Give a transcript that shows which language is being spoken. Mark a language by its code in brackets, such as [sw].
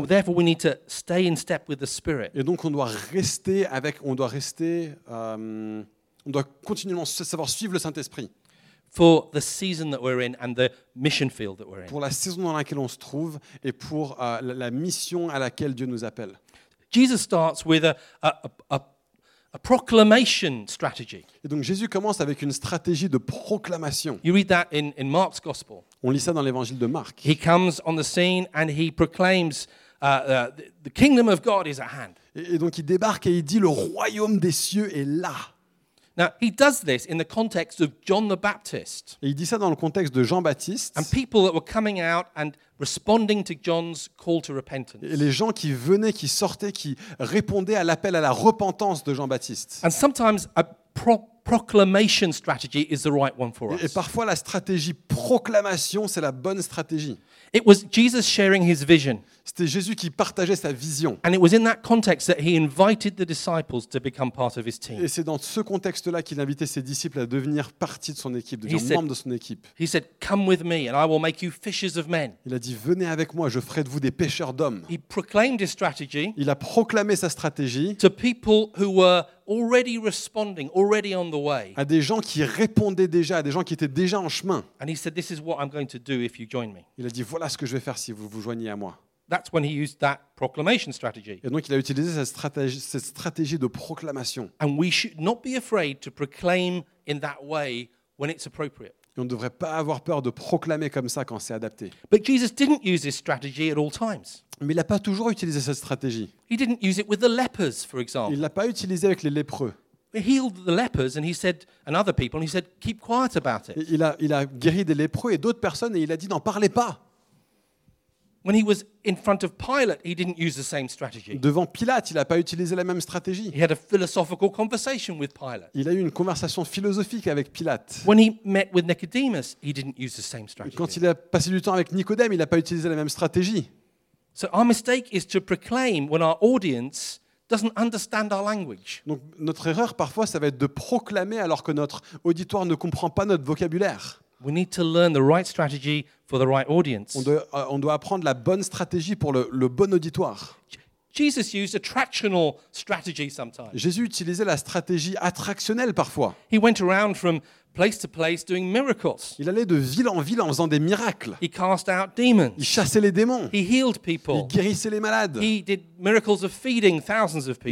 [en] And therefore we need to stay in step with the Spirit. [fr] Et donc on doit continuellement savoir suivre le Saint-Esprit. [en] For the season that we're in and the mission field that we're in. [fr] Pour la saison dans laquelle on se trouve et pour la mission à laquelle Dieu nous appelle. [en] Jesus starts with a proclamation strategy. [fr] Et donc Jésus commence avec une stratégie de proclamation. [en] You read that in Mark's gospel. [fr] On lit ça dans l'évangile de Marc. [en] He comes on the scene and he proclaims the kingdom of God is at hand. [fr] Et donc il débarque et il dit le royaume des cieux est là. [en] Now he does this in the context of John the Baptist. [fr] Et il dit ça dans le contexte de Jean-Baptiste. [en] And people that were coming out and responding to John's call to repentance. [fr] Et les gens qui venaient, qui sortaient, qui répondaient à l'appel à la repentance de Jean-Baptiste. [en] And sometimes a proclamation strategy is the right one for us. [fr] Et parfois la stratégie proclamation, c'est la bonne stratégie. [en] It was Jesus sharing his vision. [fr] C'était Jésus qui partageait sa vision. [en] And it was in that context that he invited the disciples to become part of his team. [fr] Et c'est dans ce contexte-là qu'il invitait ses disciples à devenir partie de son équipe, devenir membre de son équipe. [en] He said, "Come with me, and I will make you fishers of men." [fr] Il a dit, venez avec moi, je ferai de vous des pêcheurs d'hommes. [en] He proclaimed his strategy. [fr] Il a proclamé sa stratégie. [en] To people who were already responding, already on the way. [fr] À des gens qui répondaient déjà, à des gens qui étaient déjà en chemin. [en] And he said, "This is what I'm going to do if you join me." [fr] Il a dit, voilà ce que je vais faire si vous vous joignez à moi. [en] That's when he used that proclamation strategy. [fr] Et donc il a utilisé cette stratégie de proclamation. [en] And we should not be afraid to proclaim in that way when it's appropriate. [fr] Et on ne devrait pas avoir peur de proclamer comme ça quand c'est adapté. [en] But Jesus didn't use this strategy at all times. [fr] Mais il n'a pas toujours utilisé cette stratégie. [en] He didn't use it with the lepers, for example. [fr] Il l'a pas utilisé avec les lépreux. [en] He healed the lepers and he said and other people and he said keep quiet about it. [fr] Il a guéri des lépreux et d'autres personnes et il a dit n'en parlez pas. [en] When he was in front of Pilate, he didn't use the same strategy. [fr] Devant Pilate, il n'a pas utilisé la même stratégie. [en] He had a philosophical conversation with Pilate. [fr] Il a eu une conversation philosophique avec Pilate. [en] When he met with Nicodemus, he didn't use the same strategy. [fr] Quand il a passé du temps avec Nicodème, il n'a pas utilisé la même stratégie. [en] So our mistake is to proclaim when our audience doesn't understand our language. [fr] Donc notre erreur parfois, ça va être de proclamer alors que notre auditoire ne comprend pas notre vocabulaire. [en] We need to learn the right strategy for the right audience. [fr] On doit apprendre la bonne stratégie pour le bon auditoire. [en] Jesus used attractional strategy sometimes. [fr] Jésus utilisait la stratégie attractionnelle parfois. [en] He went around from place to place doing miracles. [fr] Il allait de ville en ville en faisant des miracles. [en] He cast out demons. [fr] Il chassait les démons. [en] He healed people. [fr] Il guérissait les malades. [en] He did miracles of feeding thousands of people.